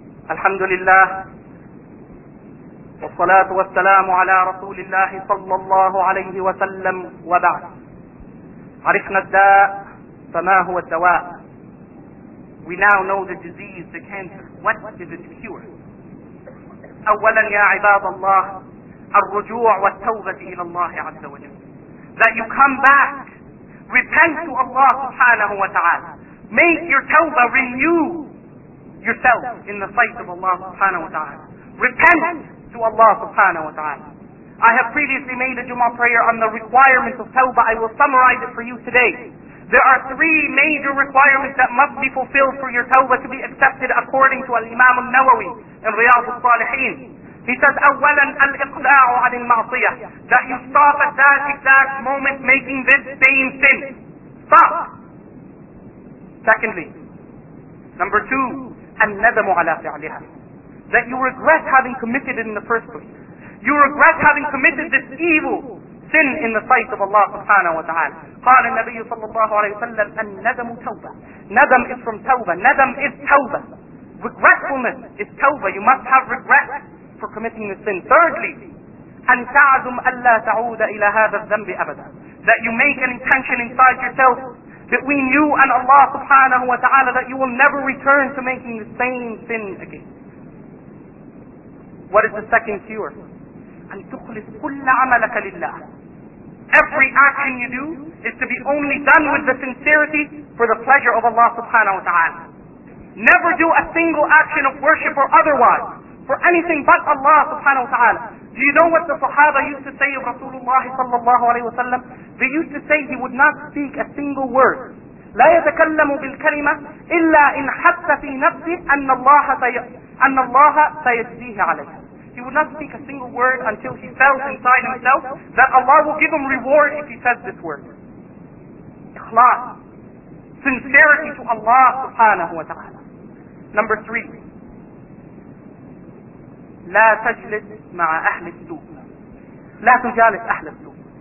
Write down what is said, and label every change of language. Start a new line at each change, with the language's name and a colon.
Arabic: الحمد لله والصلاة والسلام على رسول الله صلى الله عليه وسلم وبعد. عرفنا الداء فما هو الدواء.
English: We now know the disease, the cancer. What is its cure?
Arabic: أولا يا عباد الله الرجوع والتوبة إلى الله عز وجل.
English: That you come back, repent to Allah
Arabic: سبحانه وتعالى.
English: Make your tawbah, renew yourself in the sight of Allah subhanahu wa ta'ala. Repent to Allah subhanahu wa ta'ala. I have previously made a Jummah prayer on the requirements of tawbah. I will summarize it for you today. There are three major requirements that must be fulfilled for your tawbah to be accepted according to Al-Imam al-Nawawi in Riyadh al-Salihin. He says,
Arabic: أولاً الإقلاع عن المعصية.
English: That you stop at that exact moment making this same sin. Stop. Secondly, number two,
Arabic: الندمُ على فعلها.
English: That you regret having committed it in the first place. You regret having committed this evil sin in the sight of Allah subhanahu wa ta'ala.
Arabic: قال النبي صلى الله عليه وسلم الندم توبة.
English: Nadam is from tawbah. Nadam is tawbah. Regretfulness is tawbah. You must have regret for committing the sin. Thirdly,
Arabic: أن تعزم ألا تعود إلى هذا الذنب أبدا.
English: That you make an intention inside yourself between you and Allah subhanahu wa ta'ala that you will never return to making the same sin again. What is the second cure?
Arabic: أن تخلص كل عملك لله.
English: Every action you do is to be only done with the sincerity for the pleasure of Allah subhanahu wa ta'ala. Never do a single action of worship or otherwise for anything but Allah subhanahu wa ta'ala. Do you know what the Sahaba used to say of Rasulullah sallallahu alayhi wa sallam? They used to say he would not speak a single word.
Arabic: لا يتكلم بالكلمة إلا إن حس في نفسه أن الله سيجزيه عليه.
English: He would not speak a single word until he felt inside himself that Allah will give him reward if he says this word. إخلاص. Sincerity to Allah subhanahu wa ta'ala. Number three.
Arabic: لا تجلس مع أهل السوء. لا تجالس أهل السوء.